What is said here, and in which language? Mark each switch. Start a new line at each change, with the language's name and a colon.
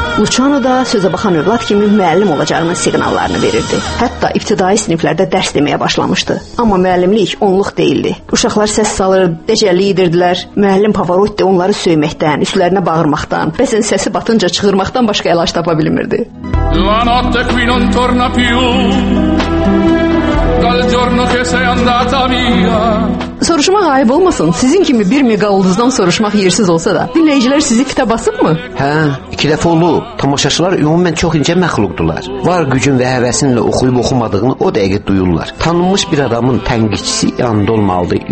Azerbaijani: Luçano da sözə baxan övlad kimi müəllim olacağının siqnallarını verirdi. Hətta ibtidai siniflərdə dərs deməyə başlamışdı. Amma müəllimlik onluq deyildi. Uşaqlar səs salır, dəcəlli edirdilər. Müəllim Pavarotti onları söyməkdən, üstlərinə bağırmaqdan, bəzən səsi batınca çığırmaqdan başqa əlaç tapa bilmirdi.
Italian: La notte qui non torna più. Dal giorno che sei andata via.
Azerbaijani: Soruşmaq ayıb olmasın. Sizin kimi bir megaulduzdan soruşmaq yersiz olsa da. Dinləyicilər sizi fitə basıbmı? Hə, iki dəfə olub. Tamaşaçılar ümumən çox incə məxluqdular. Var gücün və həvəsinlə oxuyub oxumadığını o dəqiq duyurlar. Tanınmış bir adamın tənqidçisi yanında olmalıdır.